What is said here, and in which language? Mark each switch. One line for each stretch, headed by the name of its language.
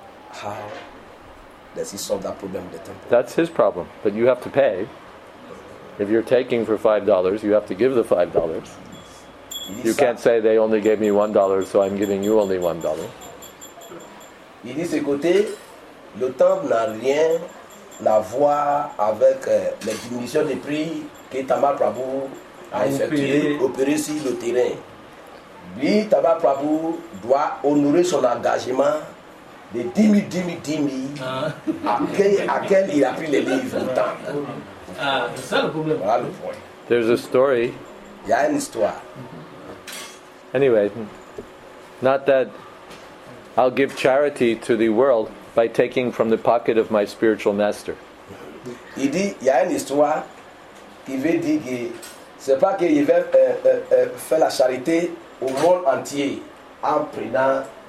English: How does he solve that problem with the temple? That's his problem, but you have to pay. If you're taking for $5, you have to give the $5. You can't say they only gave me $1, so I'm giving you only $1.
French: Il dit ce côté, le temple n'a rien à voir avec les diminutions de prix que Tamal Prabhu a effectué, opéré sur le terrain. Lui, Tamal Prabhu, doit honorer son engagement de 10 000 à quel il a pris les livres. C'est ça le problème. Voilà le point.
English: There's a story.
French: Il y a une histoire.
English: Anyway, not that I'll give charity to the world by taking from the pocket of my spiritual master.
French: Il dit, il y a une histoire qui veut dire que c'est pas qu'il veut faire la charité au monde entier en prenant